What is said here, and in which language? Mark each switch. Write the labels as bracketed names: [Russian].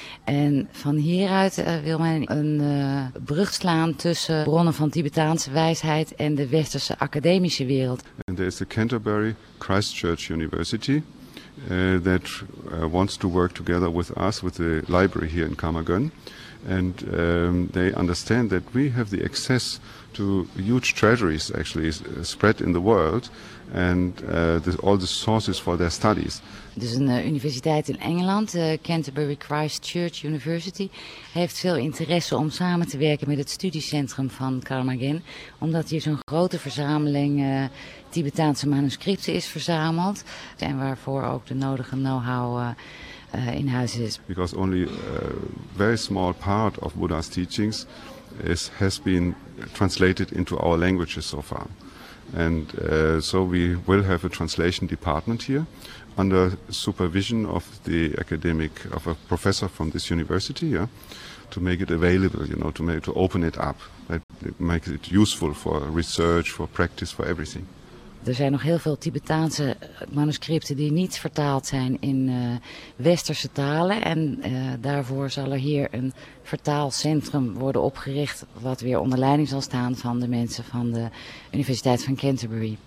[Dutch] En van hieruit wil men een brug slaan tussen bronnen van Tibetaanse wijsheid en de westerse academische wereld. En er is de Canterbury Christchurch University. [English] That wants to work together with us, with the library here in Carmarthen, And they understand that we have the access to huge treasuries actually spread in the world and all the sources for their studies. [Dutch] Dus een universiteit in Engeland, Canterbury Christ Church University, heeft veel interesse om samen te werken met het studiecentrum van Karmagen, omdat hier zo'n grote verzameling Tibetaanse manuscripten is verzameld en waarvoor ook de nodige know-how in huis is. [English] Because only a very small part of Buddha's teachings has been translated into our languages so far. And so we will have a translation department here under supervision of the academic, of a professor from this university, yeah, to make it available, you know, to open it up, make it useful for research, for practice, for everything. [Dutch] Er zijn nog heel veel Tibetaanse manuscripten die niet vertaald zijn in westerse talen. En daarvoor zal er hier een vertaalcentrum worden opgericht, wat weer onder leiding zal staan van de mensen van de Universiteit van Canterbury.